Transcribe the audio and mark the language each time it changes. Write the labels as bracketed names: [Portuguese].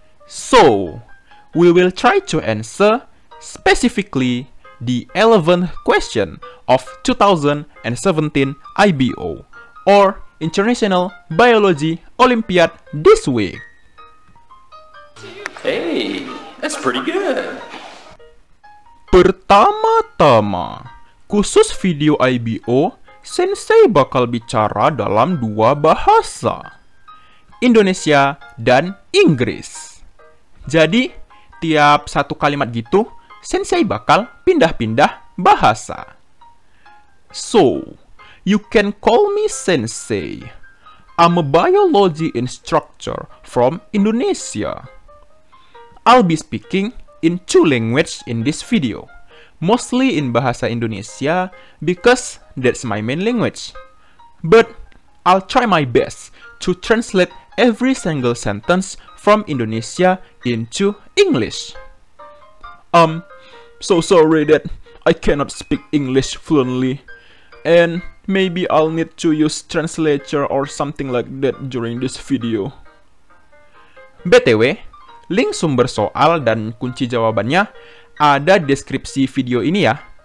[English] So, we will try to answer specifically the 11th question of 2017 IBO or International Biology Olympiad this week. Hey, that's pretty good. [Indonesian] Pertama-tama, khusus video IBO, Sensei bakal bicara dalam dua bahasa, Indonesia dan Inggris. Jadi, tiap satu kalimat gitu, Sensei bakal pindah-pindah bahasa. [English] So, you can call me Sensei. I'm a biology instructor from Indonesia. I'll be speaking in two languages in this video. Mostly in bahasa Indonesia, because that's my main language. But I'll try my best to translate every single sentence from Indonesia into English. So sorry that I cannot speak English fluently. And maybe I'll need to use translator or something like that during this video. [Indonesian] BTW, link sumber soal dan kunci jawabannya ada deskripsi video ini ya.